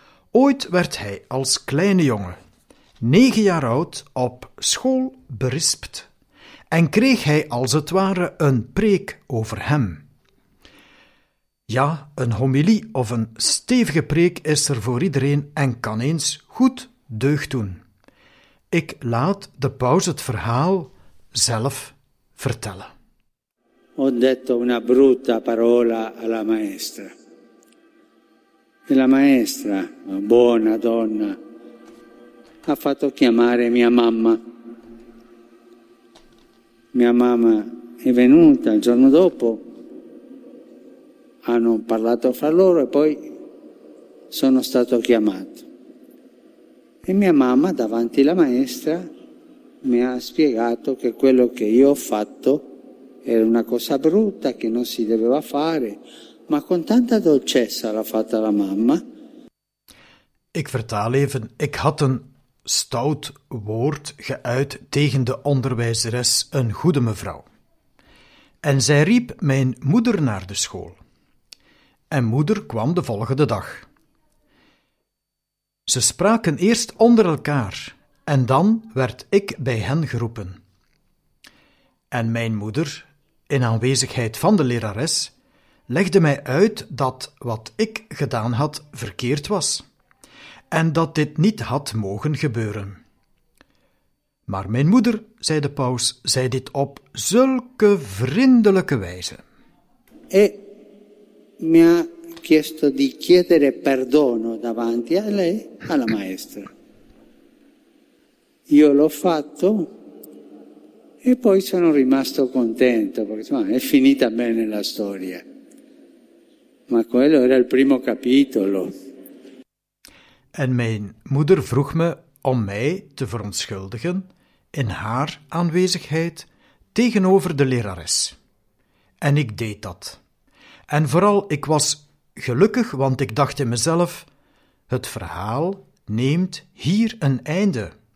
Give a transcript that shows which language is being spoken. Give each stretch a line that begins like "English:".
Dutch: Ooit werd hij als kleine jongen, 9 jaar oud, op school berispt en kreeg hij als het ware een preek over hem. Ja, een homilie of een stevige preek is er voor iedereen en kan eens goed deugd doen. Ik laat de paus het verhaal zelf vertellen.
Italian: Ho detto una brutta parola alla maestra. E la maestra, una buona donna, ha fatto chiamare mia mamma. Mia mamma è venuta il giorno dopo, hanno parlato fra loro e poi sono stato chiamato. E mia mamma, davanti alla maestra, mi ha spiegato che quello che io ho fatto era una cosa brutta che non si doveva fare, ma con tanta dolcezza l'ha fatta la mamma.
Dutch: Ik vertaal even, ik had een stout woord geuit tegen de onderwijzeres, een goede mevrouw. En zij riep mijn moeder naar de school. En moeder kwam de volgende dag. Ze spraken eerst onder elkaar en dan werd ik bij hen geroepen. En mijn moeder, in aanwezigheid van de lerares, legde mij uit dat wat ik gedaan had verkeerd was en dat dit niet had mogen gebeuren. Maar mijn moeder, zei de paus, zei dit op zulke vriendelijke wijze.
Italian: E mi ha chiesto di chiedere perdono davanti a lei, alla maestra. Io l'ho fatto. E poi sono rimasto contento, perché insomma, è finita bene la storia. Ma quello era il primo capitolo.
Dutch: En mijn moeder vroeg me om mij te verontschuldigen in haar aanwezigheid tegenover de lerares. En ik deed dat. En vooral, ik was gelukkig, want ik dacht in mezelf, het verhaal neemt hier een einde.